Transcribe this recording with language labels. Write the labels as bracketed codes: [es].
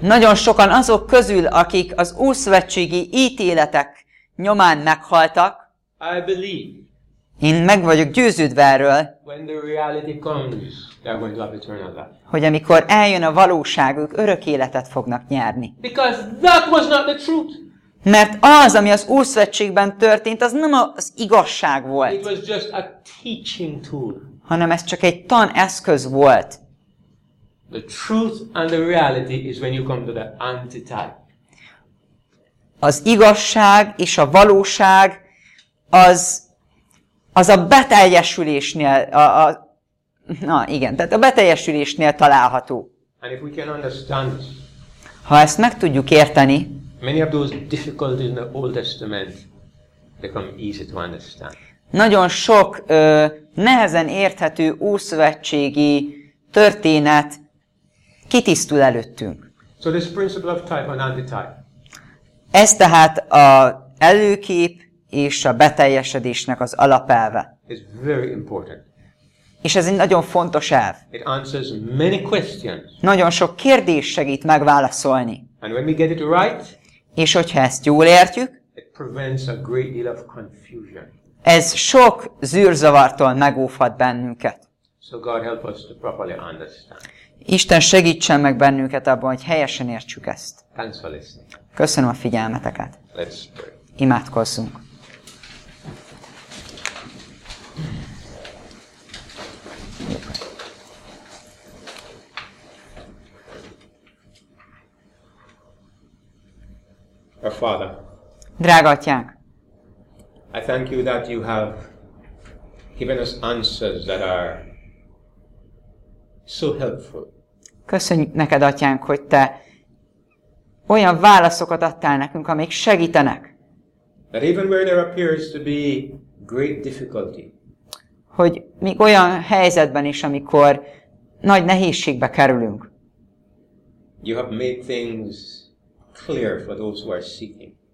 [hu] Nagyon sokan azok közül, akik az ószövetségi ítéletek nyomán meghaltak. [en] I believe. [hu] Én meg vagyok győződve erről, [en] when the reality comes, they're going to have eternal life. [hu] Hogy amikor eljön a valóság, ők örök életet fognak nyerni. [en] Because that was not the truth. [hu] Mert az, ami az Ószövetségben történt, az nem az igazság volt. [en] It was just a teaching tool. [hu] Hanem ez csak egy taneszköz volt. [en] The truth and the reality is when you come to the antitype. [hu] Az igazság és a valóság az a beteljesülésnél, tehát a beteljesülésnél található. [en] And if we can understand this, [hu] ha ezt meg tudjuk érteni, [en] many of those difficulties in the Old Testament become easy to understand. [hu] Nagyon sok nehezen érthető ószövetségi történet kitisztul előttünk. [en] So this principle of type and anti-type. [hu] Ez tehát az előkép és a beteljesedésnek az alapelve. [en] It's very important. [hu] És ez egy nagyon fontos elv. [en] It answers many questions. [hu] Nagyon sok kérdés segít megválaszolni. [en] And when we get it right, [hu] és hogyha ezt jól értjük, [en] it prevents a great deal of confusion. [hu] Ez sok zűrzavartól megóvhat bennünket. [en] So God help us to properly understand. [hu] Isten segítsen meg bennünket abban, hogy helyesen értsük ezt. [en] Thanks for listening. [hu] Köszönöm a figyelmeteket. [en] Let's pray. [hu] Imádkozzunk. [en] Our Father. [hu] Drága atyánk. [en] I thank you that you have given us answers that are so helpful. [hu] Köszönjük neked atyánk, hogy te olyan válaszokat adtál nekünk, amik segítenek. [en] That even where there appears to be great difficulty. [hu] Hogy még olyan helyzetben is, amikor nagy nehézségbe kerülünk. [en] You have made things clear for those who are seeking.